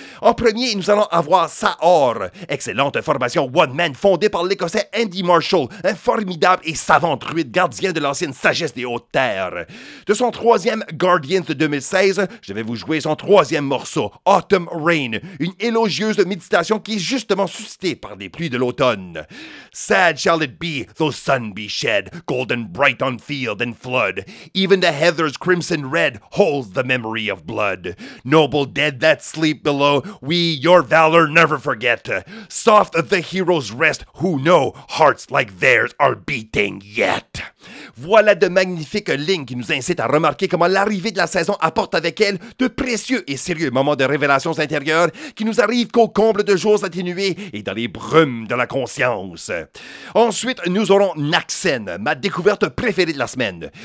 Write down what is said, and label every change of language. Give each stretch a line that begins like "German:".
French: En premier, nous allons avoir Saor, excellente formation one-man fondée par l'Écossais Andy Marshall, un formidable et savant druide gardien de l'ancienne sagesse des hautes terres. De son 3e Guardians de 2016, je vais vous jouer son 3e morceau, Autumn Rain, une élogieuse méditation qui est justement suscitée par les pluies de l'automne.
English: Sad shall it be, though sun be shed, golden bright on field and flood. Even the heather's crimson red holds the memory of blood. Noble dead that sleep below, we your valor never forget. Soft the heroes rest, who know hearts like theirs are beating yet.
French: Voilà de magnifiques lignes qui nous incitent à remarquer comment l'arrivée de la saison apporte avec elle de précieux et sérieux moments de révélations intérieures qui nous arrivent qu'au comble de jours atténués et dans les brumes de la conscience. Ensuite, nous aurons Naxxen, ma découverte préférée de la semaine.